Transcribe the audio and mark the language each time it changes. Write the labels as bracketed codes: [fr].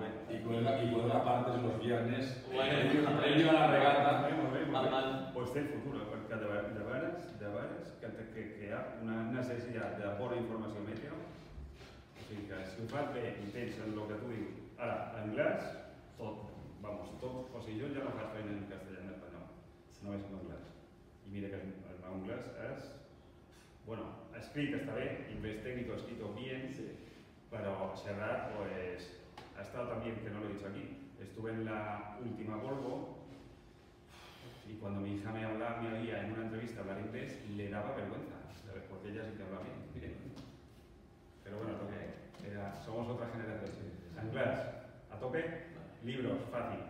[es] Y por una parte son los viernes. Bueno, aprendió la regata. [ca] Pues té el futuro, perquè de veres que hi ha una necessitat de bona informació meteo. O sigui que si ho fas bé i tens el que tu dius ara en anglès, tot, vamos, tot. O sigui, jo ja no faig feina en castellà ni en espanyol, només en anglès. I mira que el meu anglès és, bueno, escrit està bé, inglés técnico escrito bien, sí. [es] Però xerrar, pues, ha estado también, que no lo he dicho aquí, estuve en la última Volvo y cuando mi hija me oía en una entrevista hablar inglés, le daba vergüenza, ¿sabes? Porque ella sí que hablaba bien. Pero bueno, lo que era, somos otra generación. Sí. Anglas, a tope, libros, fácil.